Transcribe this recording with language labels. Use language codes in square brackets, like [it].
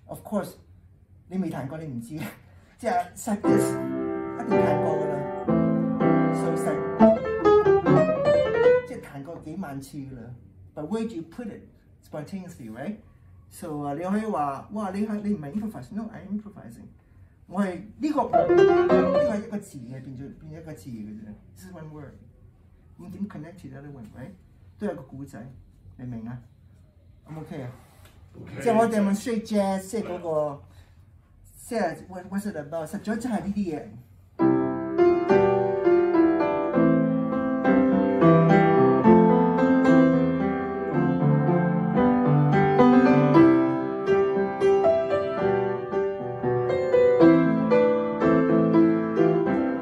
[en] Of course， [yue] 你未彈過你唔知，即係 [en] set this [yue] 一定彈過噶啦 ， [en] so set， [yue] 即係彈過幾萬次噶啦。 [en] But where do you put it spontaneously, right? [yue] So 你可以話，哇，你唔係 improvise， no， [en] I'm improvising。 [yue] 我係呢個一個字嘅，變咗一個字嘅啫。 [en] This is one word， [yue] 你點 [en] connect to the other one, right？ [yue] 都有個故仔，你明啊？ [en] I'm okay. Okay. [yue] 即係我 [en] demonstrate jazz， [yue] 即係嗰個，即係 [en] what's it about？ [yue] 實在就係呢啲嘢。